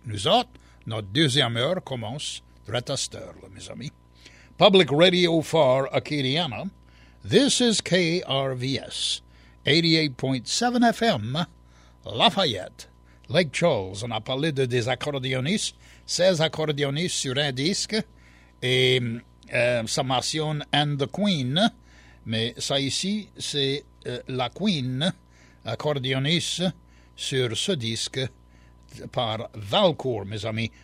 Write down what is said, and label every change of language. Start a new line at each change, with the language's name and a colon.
French: Nous autres, notre deuxième heure commence droit à cette heure, là, mes amis.
English: Public Radio for Acadiana, this is KRVS, 88.7 FM, Lafayette, Lake Charles.
French: On a parlé de des accordéonistes, 16 accordéonistes sur un disque, et Sommation and the Queen, mais ça ici, c'est la Queen, accordéoniste, sur ce disque par Valcour, mes amis.